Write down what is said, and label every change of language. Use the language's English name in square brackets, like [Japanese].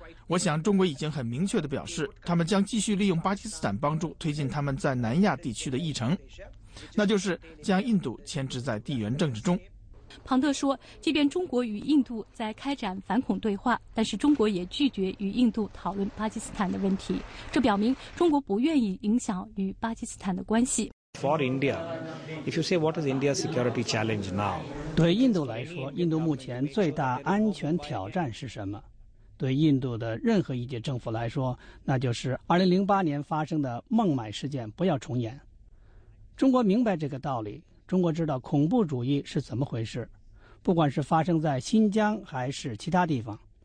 [Chinese] 我想中国已经很明确地表示，他们将继续利用巴基斯坦帮助推进他们在南亚地区的议程，那就是将印度牵制在地缘政治中。庞特说，即便中国与印度在开展反恐对话，但是中国也拒绝与印度讨论巴基斯坦的问题，这表明中国不愿意影响与巴基斯坦的关系。 [English] For India, if you say what is India's security challenge now? [Chinese] 对印度来说，印度目前最大安全挑战是什么？对印度的任何一届政府来说，那就是2008年发生的孟买事件不要重演。中国明白这个道理，中国知道恐怖主义是怎么回事，不管是发生在新疆还是其他地方。